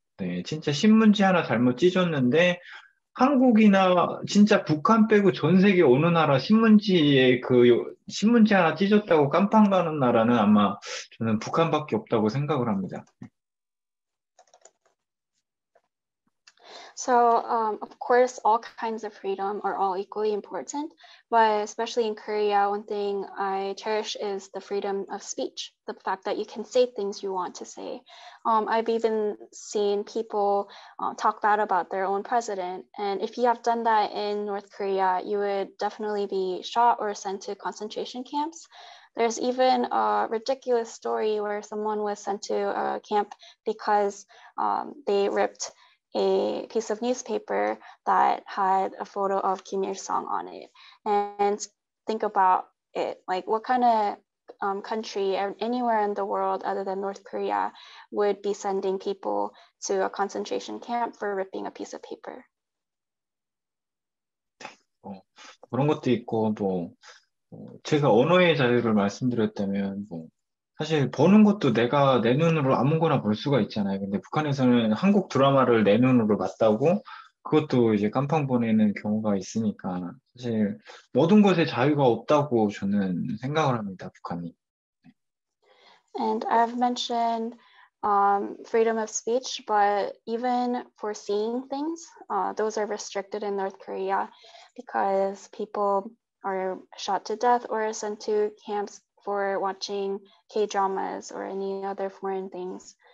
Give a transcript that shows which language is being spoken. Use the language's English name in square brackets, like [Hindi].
[Korean] 네, 진짜 신문지 하나 잘못 찢었는데 한국이나 진짜 북한 빼고 전 세계 어느 나라 신문지 하나 찢었다고 깜빵 가는 나라는 아마 저는 북한밖에 없다고 생각을 합니다. [English] So, of course, all kinds of freedom are all equally important, but especially in Korea, one thing I cherish is the freedom of speech, the fact that you can say things you want to say. I've even seen people talk bad about their own president, and if you have done that in North Korea, you would definitely be shot or sent to concentration camps. There's even a ridiculous story where someone was sent to a camp because they ripped a piece of newspaper that had a photo of Kim Il-sung on it. And think about it, like what kind of country anywhere in the world other than North Korea would be sending people to a concentration camp for ripping a piece of paper? [Korean] 그런 것도 있고, 뭐 제가 언어의 자유를 말씀드렸다면 뭐 사실 보는 것도 내가 내 눈으로 아무거나 볼 수가 있잖아요. 근데 북한에서는 한국 드라마를 내 눈으로 봤다고 그것도 이제 깜빵 보내는 경우가 있으니까 사실 모든 것에 자유가 없다고 저는 생각을 합니다. 북한이. [English] And I've mentioned freedom of speech, but even for seeing things, those are restricted in North Korea because people are shot to death or sent to camps for watching K-dramas or any other foreign things.